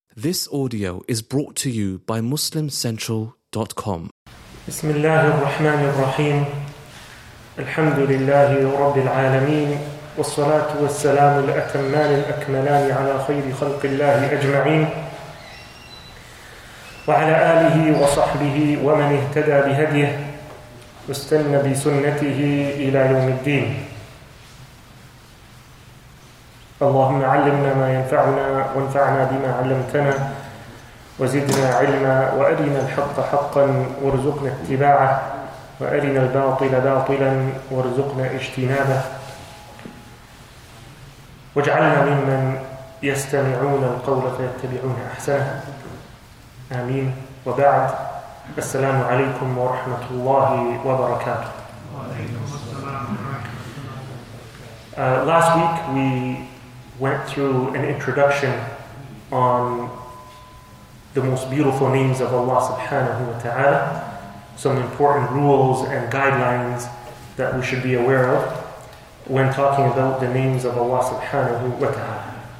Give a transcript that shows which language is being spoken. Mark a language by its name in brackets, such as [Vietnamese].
[English] This audio is brought to you by MuslimCentral.com. [Arabic] بسم الله الرحمن الرحيم الحمد لله رب العالمين والصلاة والسلام الأتمان الأكملان على خير خلق الله أجمعين وعلى آله وصحبه ومن اهتدى بهديه واستنى بسنته إلى يوم الدين. اللهم علمنا ما ينفعنا وانفعنا بما علمتنا وزدنا علما وأرنا الحق حقا وارزقنا اتباعه وأرنا الباطل باطلا وارزقنا اجتنابه واجعلنا ممن يستمعون القول فيتبعون أحسنه آمين. وبعد, السلام عليكم ورحمة الله وبركاته. [English] Last week we went through an introduction on the most beautiful names of Allah subhanahu wa ta'ala, some important rules and guidelines that we should be aware of when talking about the names of Allah subhanahu wa ta'ala.